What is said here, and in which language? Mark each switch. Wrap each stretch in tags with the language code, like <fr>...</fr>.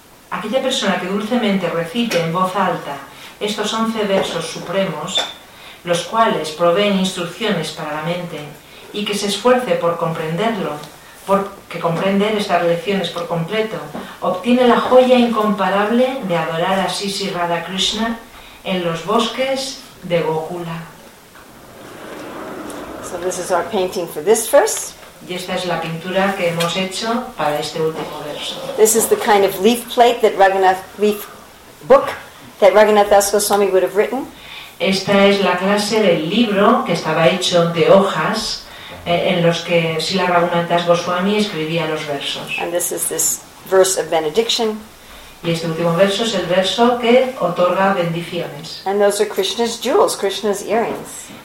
<es>Aquella persona que dulcemente recite en voz alta estos 11 versos supremos, los cuales proveen instrucciones para la mente, y que se esfuerce por comprenderlo, porque comprender estas lecciones por completo, obtiene la joya incomparable de adorar a Sisi Radha Krishna en los bosques de Gokula.</es> <en>So this is our painting for this verse.</en> <es>Y esta es la pintura que hemos hecho para este último verso.</es> <en>This is the kind of leaf plate that Raghunath leaf book that Raghunath Das Goswami would have written.</en> <es>Esta es la clase del libro que estaba hecho de hojas en los que Srila Raghunath Das Goswami escribía los versos.</es> <en>And this is this verse of benediction.</en> <es>Y este último verso es el verso que otorga bendiciones.</es> <en>And those are Krishna's jewels, Krishna's earrings.</en>